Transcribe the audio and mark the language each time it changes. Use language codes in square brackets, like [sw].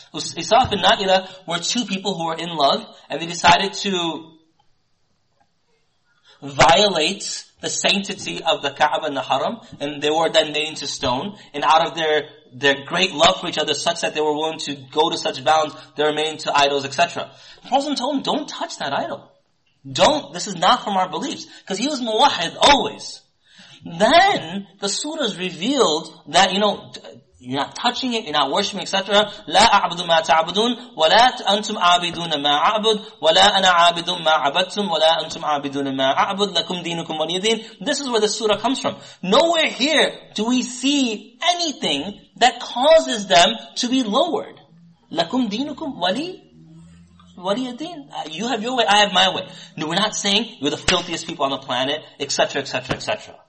[en] Isaf and Na'ila were two people who were in love, and they decided to violates the sanctity of the Kaaba and the Haram, and they were then made into stone, and out of their great love for each other, such that they were willing to go to such bounds, they were made into idols, etc. The Prophet told him, don't touch that idol. Don't, this is not from our beliefs. Because he was muwahid always. Then, the surahs revealed that, you know, you're not touching it, you're not worshiping, etc. [ar] لا أعبد ما تعبدون ولا أنتم عابدون ما أعبد ولا أنا عابد ما عبدتم ولا أنتم عابدون ما أعبد لكم دينكم ولي دين. [en] This is where the surah comes from. Nowhere here do we see anything that causes them to be lowered. [ar] لكم دينكم ولي دين. [en] You have your way, I have my way. No, we're not saying you're the filthiest people on the planet, etc., etc., etc.